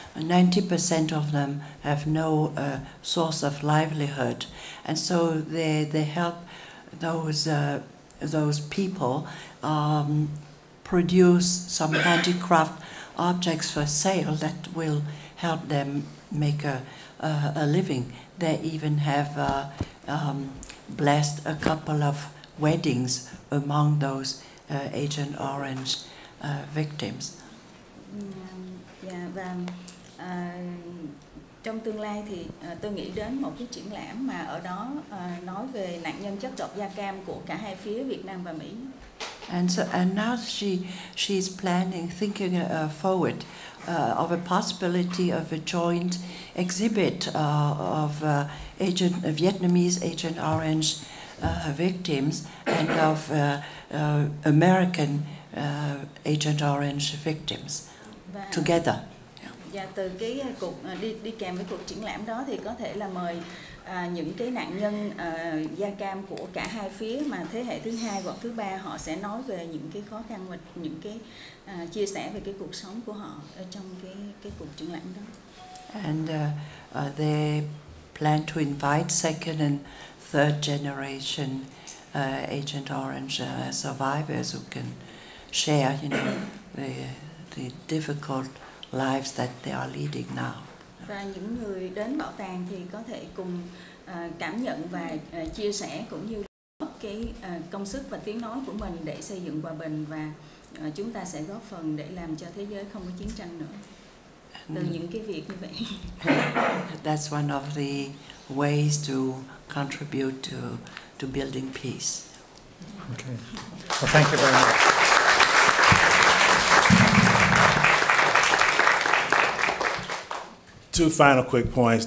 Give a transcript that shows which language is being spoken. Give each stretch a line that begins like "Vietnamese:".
English: 90% of them have no source of livelihood, and so they help those people produce some handicraft objects for sale that will help them make a living. They even have blessed a couple of weddings among those Agent Orange victims.
Vietnamese: Yeah, trong tương lai thì tôi nghĩ đến một cái triển lãm mà ở đó nói về nạn nhân chất độc da cam của cả hai phía Việt Nam và Mỹ.
English: And so, and now she's planning, thinking forward of a possibility of a joint exhibit of agent Vietnamese Agent Orange victims and of American Agent Orange victims together.
Vietnamese: Và từ cái cuộc đi kèm với cuộc triển lãm đó thì có thể là mời những cái nạn nhân da cam của cả hai phía, mà thế hệ thứ hai hoặc thứ ba, họ sẽ nói về những cái khó khăn và những cái chia sẻ về cái cuộc sống của họ ở trong cái cuộc triển lãm đó.
English: And they plan to invite second and third generation Agent Orange survivors who can share, you know, the difficult lives that they are leading now.
Vietnamese: Và những người đến bảo tàng thì có thể cùng cảm nhận và chia sẻ cũng như góp cái công sức và tiếng nói của mình để xây dựng hòa bình, và chúng ta sẽ góp phần để làm cho thế giới không có chiến tranh nữa. Từ những cái việc như vậy.
English: That's one of the ways to contribute to building peace. Okay. Well, thank you very much. Two final quick points.